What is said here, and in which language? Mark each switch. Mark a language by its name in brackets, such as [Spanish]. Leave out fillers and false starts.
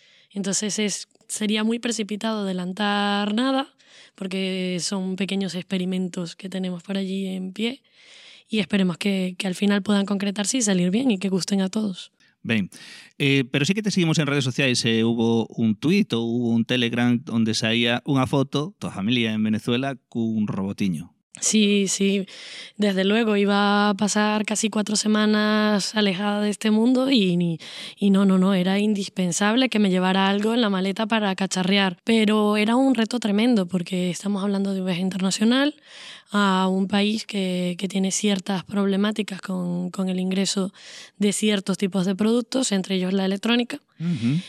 [Spanish] Entonces sería muy precipitado adelantar nada, porque son pequeños experimentos que tenemos por allí en pie y esperemos que al final puedan concretarse y salir bien y que gusten a todos. [Galician] Ben, pero sí que te seguimos en redes sociais, hubo un tuit o hubo un Telegram onde saía unha foto, toda a familia en Venezuela, cun robotiño. [Spanish] Sí, sí, desde luego. Iba a pasar casi 4 semanas alejada de este mundo y no, era indispensable que me llevara algo en la maleta para cacharrear. Pero era un reto tremendo porque estamos hablando de un viaje internacional a un país que tiene ciertas problemáticas con el ingreso de ciertos tipos de productos, entre ellos la electrónica. Uh-huh.